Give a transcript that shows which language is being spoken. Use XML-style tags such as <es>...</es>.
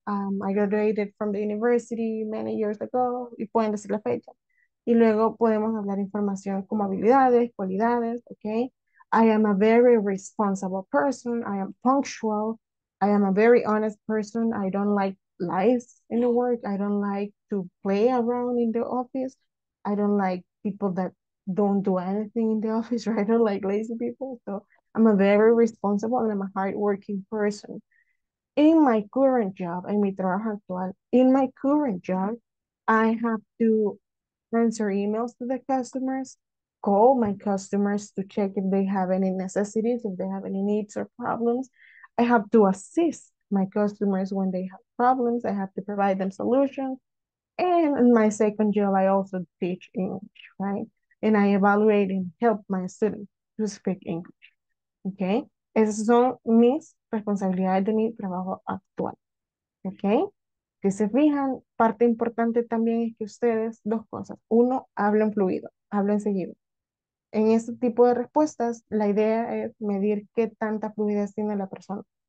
<en>I graduated from the university many years ago.</en> <es>Y pueden decir la fecha. Y luego podemos hablar información como habilidades, cualidades.</es> <en>Okay. I am a very responsible person. I am punctual. I am a very honest person. I don't like lies in the work. I don't like to play around in the office. I don't like people that don't do anything in the office, right? I don't like lazy people. So I'm a very responsible and I'm a hardworking person. In my current job,</en> <es>en mi trabajo actual,</es> <en>in my current job, I have to answer emails to the customers. Call my customers to check if they have any necessities, if they have any needs or problems. I have to assist my customers when they have problems. I have to provide them solutions. And in my second job, I also teach English, right? And I evaluate and help my students to speak English, okay?</en> <es>Esas son mis responsabilidades de mi trabajo actual, okay? que se fijan, parte importante también es que ustedes, dos cosas. Uno, hablen fluido, hablen seguido. En este tipo de respuestas, la idea es medir qué tanta fluidez tiene la persona.</es>